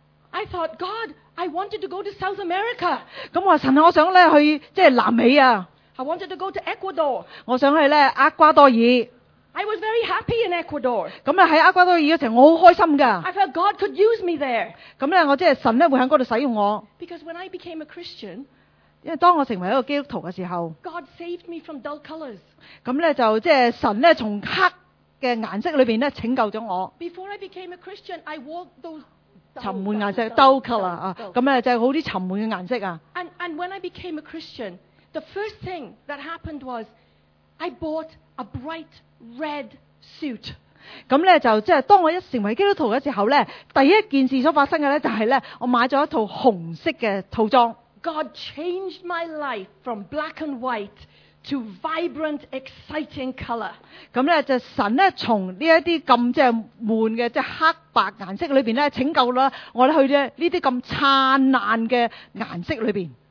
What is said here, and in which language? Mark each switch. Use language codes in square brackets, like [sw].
[en] ？I thought God, I wanted to go to South America。 [yue] 咁我话神啊，我想咧去即系南美啊。 [en] I wanted to go to Ecuador。 [yue] 我想去咧厄瓜多尔。 [en] I was very happy in Ecuador. [yue] 咁咧喺厄瓜多尔嗰时，我好开心噶。 [en] I felt God could use me there. [yue] 咁咧，我即系神咧会喺嗰度使用我。 [en] Because when I became a Christian, [yue] 因为当我成为一个基督徒嘅时候 [en] ，God saved me from dull colours. [yue] 咁咧就即系神咧从黑嘅颜色里边咧拯救咗我。 [en] Before I became a Christian, I wore those [yue] 沉闷颜色 [en] dull colour [yue] 啊，咁咧就好啲沉闷嘅颜色啊。 [en] And when I became a Christian, the first thing that happened was I bought a bright red suit. [yue] 咁咧就即系当我一成为基督徒嘅时候咧，第一件事所发生嘅咧就系咧，我买咗一套红色嘅套装。 [en] God changed my life from black and white to vibrant, exciting colour. [yue] 咁咧就神咧从呢一啲咁即系闷嘅即系黑白颜色里边咧拯救啦我咧去咧呢啲咁灿烂嘅颜色里边。